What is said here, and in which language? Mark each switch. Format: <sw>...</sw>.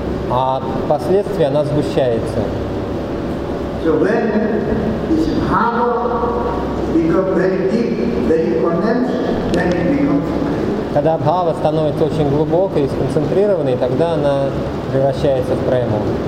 <ru>А впоследствии она сгущается.</ru> <en>So when this bhava becomes very deep, very condensed, then it becomes.</en> <ru>Когда бхава становится очень глубокой и сконцентрированной, тогда она превращается в прему.</ru>